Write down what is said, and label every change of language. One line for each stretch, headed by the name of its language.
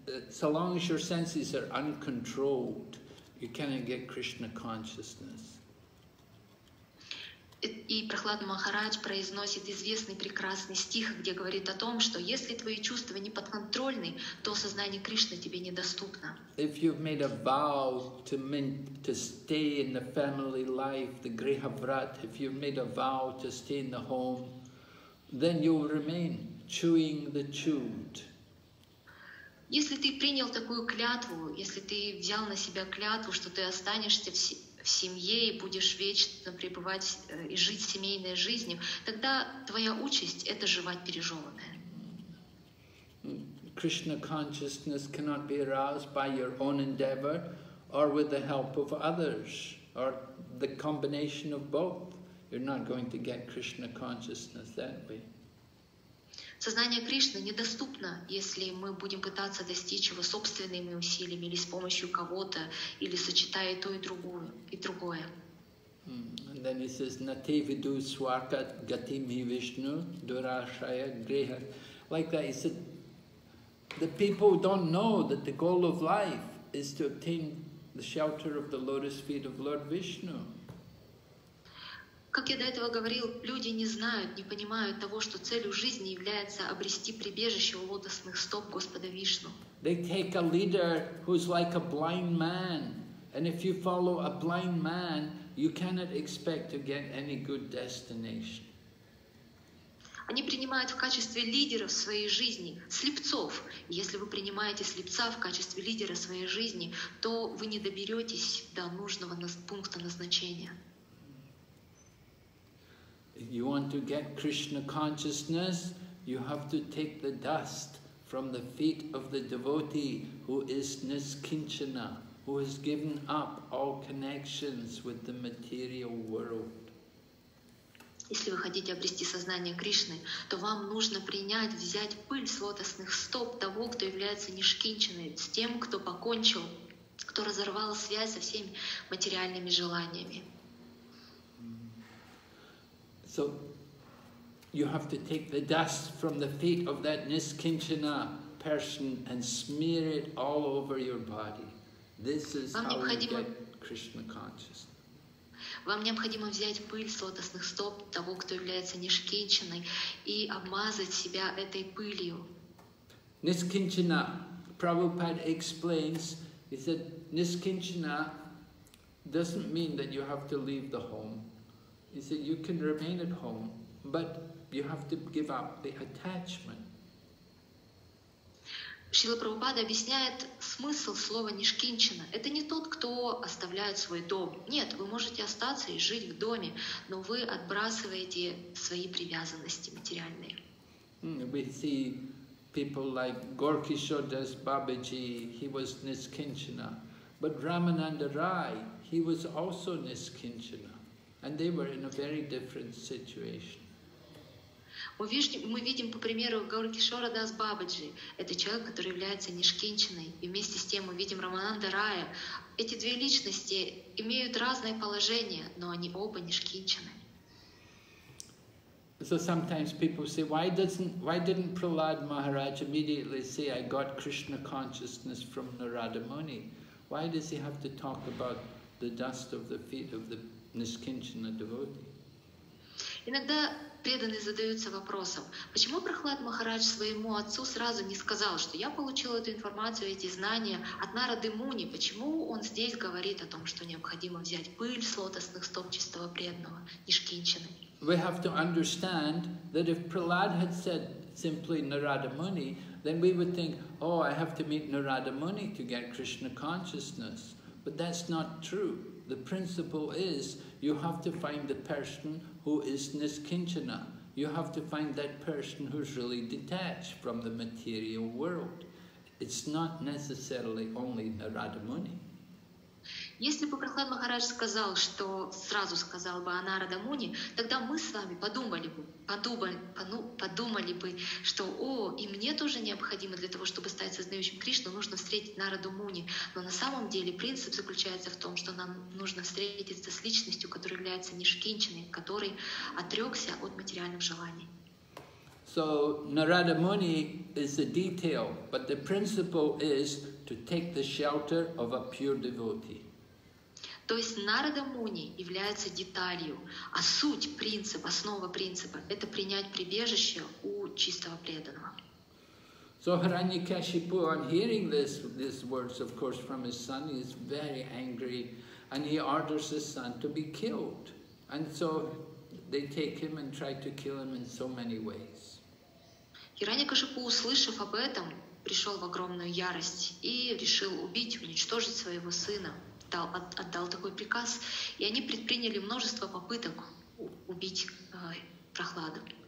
English: So long as your senses are uncontrolled, you cannot get Krishna consciousness.
Russian: И Прохлад Махарадж произносит известный прекрасный стих, где говорит о том, что если твои чувства не подконтрольны, то сознание Кришны тебе недоступно.
English: If you've made a vow to stay in the family life, the grihavrat, if you've made a vow to stay in the home, then you'll remain chewing the chewed.
Russian: Если ты принял такую клятву, если ты взял на себя клятву, что ты останешься в семье и будешь вечно пребывать и жить семейной жизнью, тогда твоя участь — это жевать пережеванное.
English: Krishna consciousness cannot be aroused by your own endeavor or with the help of others, or the combination of both. You're not going to get Krishna consciousness that way.
Russian: Сознание Кришны недоступно, если мы будем пытаться достичь его собственными усилиями или с помощью кого-то, или сочетая то и другое.
English: And then he says,
Sanskrit: Nate vidu swarka gatimhi Vishnu durashaya greha.
English: Like that, he said, the people don't know that the goal of life is to obtain the shelter of the lotus feet of Lord Vishnu.
Russian: Как я до этого говорил, люди не знают, не понимают того, что целью жизни является обрести прибежище у лотосных стоп Господа Вишну.
English: They take a leader who's like a blind man, and if you follow a blind man, you cannot expect to get any good destination.
Russian: Они принимают в качестве лидеров своей жизни слепцов. И если вы принимаете слепца в качестве лидера своей жизни, то вы не доберетесь до нужного пункта назначения.
English: If you want to get Krishna consciousness, you have to take the dust from the feet of the devotee who is Niskinchana, who has given up all connections with the material world.
Russian: Если вы хотите обрести сознание Кришны, то вам нужно принять, взять пыль с лотосных стоп того, кто является нишкинченой, с тем, кто покончил, кто разорвал связь со всеми материальными желаниями.
English: So you have to take the dust from the feet of that Niskinchana person and smear it all over your body. This is how you get Krishna consciousness.
Russian: Вам необходимо взять пыль с лотосных стоп того, кто является нишкинченой, и обмазать себя этой пылью.
English: Нишкинчина, Prabhupada explains, he said, Нишкинчина doesn't mean that you have to leave the home. He said, you can remain at home, but you have to give up the attachment.
Russian: Шрила Прабхупада объясняет смысл слова «нишкинчина». Это не тот, кто оставляет свой дом. Нет, вы можете остаться и жить в доме, но вы отбрасываете свои привязанности материальные.
English: We see people like Gaurakishore Das Babaji, he was Niskinchana. But Ramananda Rai, he was also Niskinchana. And they were in a very different situation.
Russian: Мы видим, по примеру, Гаур-Кишора Дас Бабаджи. Это человек, который является нишкинченой. И вместе с тем мы видим Рамананда Рая. Эти две личности имеют разное положение, но они оба нишкинчены.
English: So sometimes people say, why didn't Prahlad Maharaj immediately say, I got Krishna consciousness from Narada Muni? Why does he have to talk about the dust of the feet of the nishkinchana devotee?
Russian: Иногда преданные задаются вопросом, почему Прахлад Махарадж своему отцу сразу не сказал, что я получил эту информацию, эти знания от Нарады Муни, почему он здесь говорит о том, что необходимо взять пыль с лотосных стоп чистого преданного, нишкинчины.
English: We have to understand that if Prahlad had said simply Narada Muni, then we would think, oh, I have to meet Narada Muni to get Krishna consciousness. But that's not true. The principle is you have to find the person who is Niskinchana. You have to find that person who's really detached from the material world. It's not necessarily only Narada Muni.
Russian: Если бы Прахлад Махарадж сказал, что сразу сказал бы о Нарада Муни, тогда мы с вами подумали бы, что о, и мне тоже необходимо для того, чтобы стать сознающим Кришну, нужно встретить Нараду Муни. Но на самом деле принцип заключается в том, что нам нужно встретиться с личностью, которая является нишкинченой, который отрекся от материальных желаний.
English: So Narada Muni is a detail, but the principle is to take the shelter of a pure devotee.
Russian: То есть Нарада Муни является деталью, а суть, принцип, основа принципа – это принять прибежище у чистого преданного.
English: So Hiranyakashipu, on hearing these words, of course, from his son, he is very angry, and he orders his son to be killed. And so they take him and try to kill him in so many ways.
Russian: Hiranyakashipu, услышав об этом, пришел в огромную ярость и решил убить, уничтожить своего сына. Отдал такой приказ, и они предприняли множество попыток убить Прахлада.